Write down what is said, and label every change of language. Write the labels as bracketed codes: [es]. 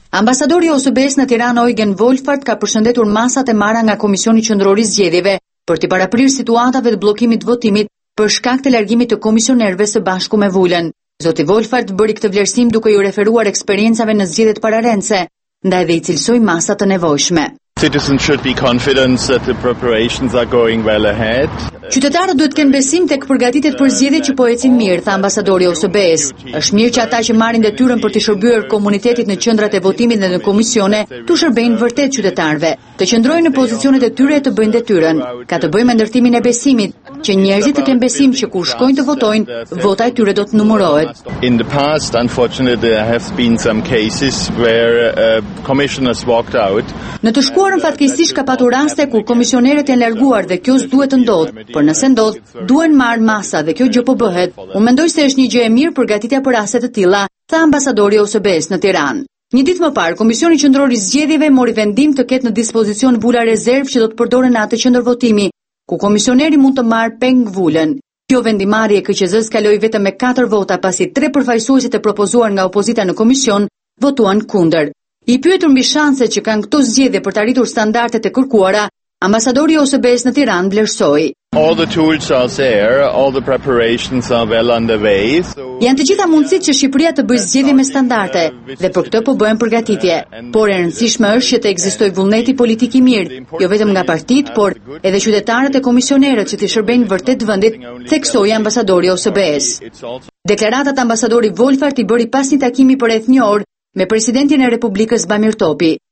[sq] Ambasadori i OSB-s në Tiranë Eugen Wolfart ka përshëndetur masat e marra nga Komisioni Qendror i Zgjedhjeve për të paraprirë situatave të bllokimit të votimit për shkak të largimit të komisionerëve së bashku me vulën. Zoti Wolfart bëri këtë vlerësim duke i referuar eksperiencave në zgjedhjet pararendse, ndaj dhe i cilësoj masat të nevojshme. [en] Citizens should be confident that the preparations are going well ahead. [sq] Qytetarët duhet të kenë besim tek përgatitjet për zgjedhjet që po ecin mirë, tha ambasadori Osbes. Është mirë që ata që marrin detyrën për të shërbyer komunitetit në qendrat e votimit dhe në komisione, të shërbejnë vërtet qytetarëve, të qëndrojnë në pozicionet e tyre të bëjnë detyrën. Ka të bëjë me ndërtimin e besimit, që njerëzit të kenë besim që kur shkojnë të votojnë, vota e tyre do të numërohet. [en] In the past, unfortunately, there have been some cases where commissioners walked out. [sq] Në të shkuarën fatkeqësisht ka patur raste ku komisionerët janë larguar dhe kjo s'duhet të ndodhë. Por nëse ndodh, duhen marr masa dhe kjo gjë po bëhet. Unë mendoj se është një gjë e mirë përgatitja për raste të tilla, tha ambasadori OSBE-s në Tiranë. Një ditë më parë, Komisioni Qendror i Zgjedhjeve mori vendim të ketë në dispozicion bula rezervë që do të përdoren atë qendër votimi, ku komisioneri mund të marr peng vulën. Kjo vendimarrje e KQZ-s kaloi vetëm me 4 vota pasi 3 përfaqësuesi të propozuar nga opozita në komision votuan kundër. I pyetur mbi shanset që kanë këto zgjedhje për të arritur standardet e kërkuara, ambasadori OSBE-s në Tiranë vlerësoi: [en] All the tools are there, all the preparations are well underway. [sq] Janë të gjitha mundësitë që Shqipëria të bëjë zgjedhje me standarde dhe për këtë po bëhen përgatitje. Por e rëndësishme është që të ekzistojë vullneti politik i mirë, jo vetëm nga partitë, por edhe qytetarët e komisionerët që të shërbejnë vërtet vendit, theksoi ambasadori OSBE-s. Deklaratat ambasadori Wolfart i bëri pas një takimi për rreth 1 orë me presidentin e Republikës Bamir Topi.